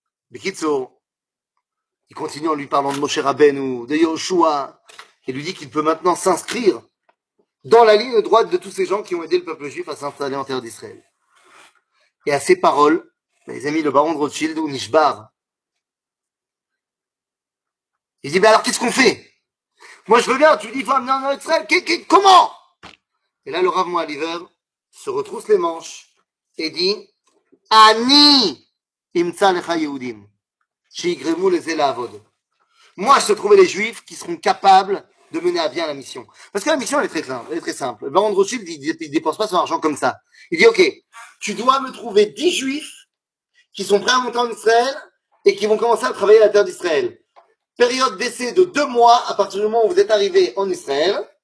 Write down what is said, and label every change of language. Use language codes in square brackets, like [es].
[fr] Bikitso, il continue en lui parlant de Moshe Rabbeinu ou de Yoshua et lui dit qu'il peut maintenant s'inscrire dans la ligne droite de tous ces gens qui ont aidé le peuple juif à s'installer en terre d'Israël. Et à ces paroles, les amis, le baron de Rothschild ou Nishbar, il dit, alors qu'est-ce qu'on fait? Moi, je veux bien, tu dis, il faut amener un Israël, comment? Et là, le Rav Mohaliver se retrousse les manches et dit, [he] אני אמצא לך יהודים שיגרמו לזה לעבוד. [fr] Moi, je trouverai les juifs qui seront capables de mener à bien la mission. Parce que la mission, elle est très simple. Le baron de Rothschild, il ne dépense pas son argent comme ça. Il dit, ok, tu dois me trouver 10 juifs qui sont prêts à monter en Israël et qui vont commencer à travailler à la terre d'Israël. Période d'essai de 2 mois à partir du moment où vous êtes arrivés en Israël.